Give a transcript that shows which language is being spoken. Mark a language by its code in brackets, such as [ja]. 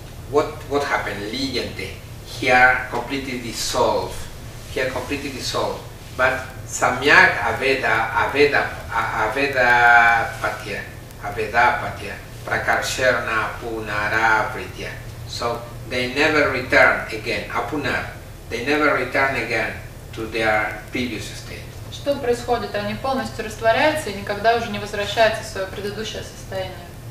[en] What happened? Лиенте. Here completely dissolved. [sa] But самьяг, авета, патья, пракаршерна, пунар, авритья. [en] So they never return again, apunar, they never return again to their previous state. [ru] Что происходит? Они полностью растворяются и никогда уже не возвращаются в свое предыдущее состояние.